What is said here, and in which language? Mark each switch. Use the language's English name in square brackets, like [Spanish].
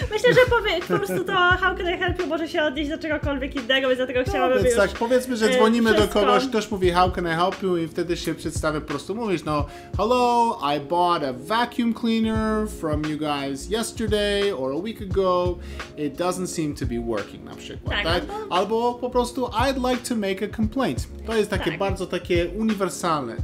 [Polish] myślę, że po prostu to [English] how can I help you [Polish] może się odnieść do czegokolwiek innego, więc dlatego chciałabym więc już tak, powiedzmy, że dzwonimy do kogoś, ktoś mówi [English] how can I help you [Polish] i wtedy się przedstawię, po prostu mówisz, no [English] hello, I bought a vacuum cleaner from you guys yesterday or a week ago, it doesn't seem to be working, [Polish] na przykład, tak? Albo po prostu [English] I'd like to make a complaint. [Polish] To jest takie bardzo takie uniwersalne.